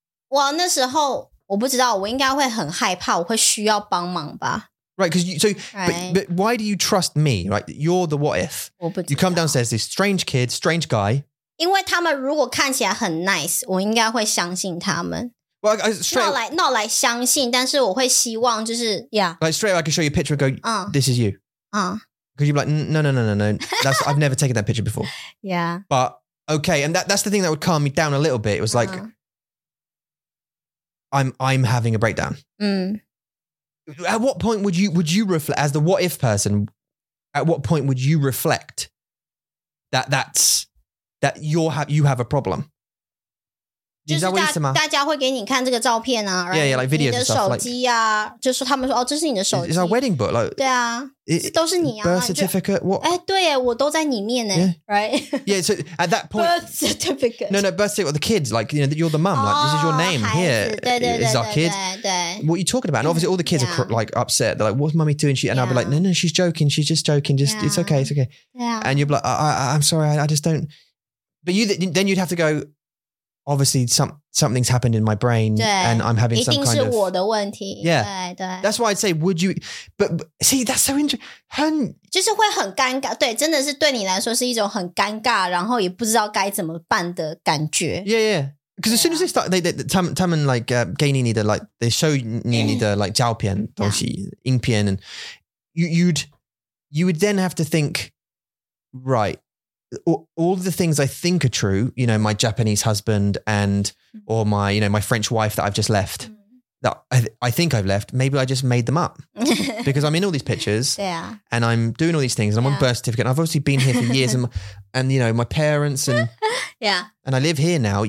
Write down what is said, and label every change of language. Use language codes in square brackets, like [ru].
[zh] Well, 那时候我不知道，我应该会很害怕，我会需要帮忙吧。 [en] Right, because you, but why do you trust me? Right, you're the what if. You come downstairs, this strange kid, strange guy. Because if they look nice, I should believe them. Well, not like believe, but I would hope, Like straight up, I can show you a picture and go, this is you. Because you'd be like, no. That's, I've never taken that picture before. Yeah. But, okay, and that's the thing that would calm me down a little bit. It was like, I'm having a breakdown. Mm. At what point would you reflect as the what if person? At what point would you reflect that you have a problem? Is that what you said? [zh] 大家会给你看这个照片啊 [en] right? Yeah, like videos and stuff. [zh] 你的手机啊，就说他们说哦，这是你的手机。 [en] It's our wedding book. Like, [zh] 对啊，都是你啊。 [en] Birth certificate. What? [zh] 哎，对耶，我都在里面呢。Right. [en] Yeah. So at that point, birth certificate. No, birth certificate. Well, the kids, like you know, you're the mum. Like this is your name here. [zh] 对对对。 [en] Is our kid? [zh] 对。 [en] What are you talking about? And obviously, all the kids are like upset. They're like, "What's mummy doing?" She and I'll be like, "No, she's joking. She's just joking. Just it's okay. It's okay." Yeah. And you'll be like, "I'm sorry. I just don't." But you then you'd have to go. Obviously, something's happened in my brain and I'm having some kind of... [zh] 一定是我的问题。 [en] Yeah. [zh] 对。 [en] That's why I'd say, would you... But see, that's so interesting. 很 [zh] 就是会很尴尬。对,真的是对你来说是一种很尴尬然后也不知道该怎么办的感觉。 [en] Yeah, yeah. Because as soon as they start, they like, they show Nini the, like, [zh] 照片东西,影片 [en] and you would then have to think, right,all the things I think are true, you know, my Japanese husband and, or my, you know, my French wife that I've just left, that I think I've left, maybe I just made them up because I'm in all these pictures and I'm doing all these things and I'm on birth certificate. And I've obviously been here for years and you know, my parents and, and I live here now.